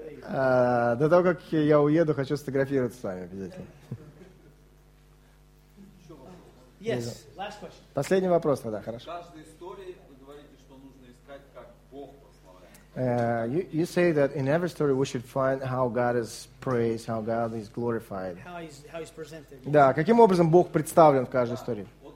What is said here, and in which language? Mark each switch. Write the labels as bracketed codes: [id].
[ru] До того, как я уеду, хочу сфотографироваться с вами обязательно. [en] Yes, last question. [ru] Последний вопрос тогда, хорошо. В каждой истории вы говорите, что нужно искать, как Бог прославляет. [en] You say that in every story we should find how God is praised, how God is glorified. How he's presented. [ru] Да, каким образом Бог представлен в каждой истории.